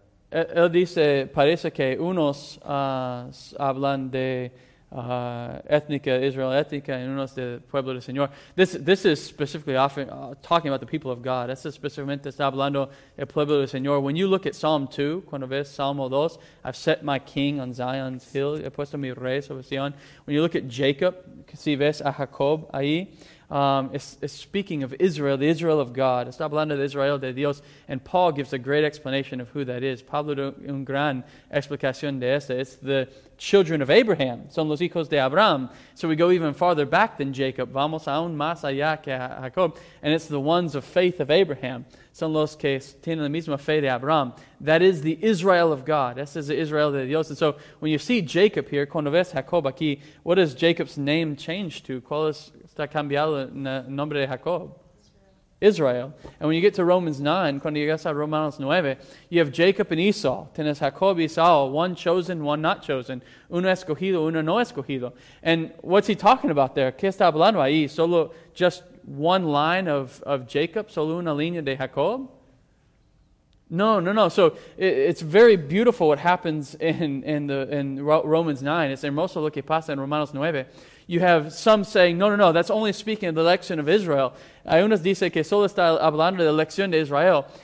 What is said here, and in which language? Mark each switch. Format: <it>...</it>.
<es>Él dice, parece que unos hablan de étnica Israel, étnica, y unos del pueblo del Señor.</es> <en>This is specifically often talking about the people of God.</en> <es>Esto específicamente está hablando el pueblo del Señor.</es> <en>When you look at Psalm 2,</en> <es>cuando ves Salmo 2,</es> <en>I've set my king on Zion's hill,</en> <es>he puesto mi rey sobre Sion.</es> <en>When you look at Jacob,</en> <es>si ves a Jacob ahí,</es> <en>it's speaking of Israel, the Israel of God.</en> <es>Está hablando de Israel, de Dios.</es> <en>And Paul gives a great explanation of who that is.</en> <es>Pablo da una gran explicación de esta.</es> <en>It's the children of Abraham.</en> <es>Son los hijos de Abraham.</es> <en>So we go even farther back than Jacob.</en> <es>Vamos aún más allá que Jacob.</es> <en>And it's the ones of faith of Abraham.</en> <es>Son los que tienen la misma fe de Abraham.</es> <en>That is the Israel of God.</en> <es>Ese es el Israel de Dios.</es> <en>And so when you see Jacob here,</en> <es>cuando ves Jacob aquí,</es> <en>what does Jacob's name change to?</en> <es>¿Cuál es? Está cambiado en el nombre de Jacob. Israel.</es> <en>And when you get to Romans 9,</en> <es>cuando llegas a Romanos 9,</es> <en>you have Jacob and Esau.</en> <es>Tienes Jacob y Esau,</es> <en>one chosen, one not chosen.</en> <es>Uno escogido, uno no escogido.</es> <en>And what's he talking about there?</en> <es>¿Qué está hablando ahí?</es> <en>Solo just one line of Jacob?</en> <es>Solo una línea de Jacob?</es> <en>No. So it's very beautiful what happens in Romans 9. It's</en> <es>hermoso lo que pasa en Romanos 9.</es> <en>You have some saying, no, that's only speaking of the election of Israel.</en> <es>Hay unos dice que solo está hablando de la elección de Israel.</es>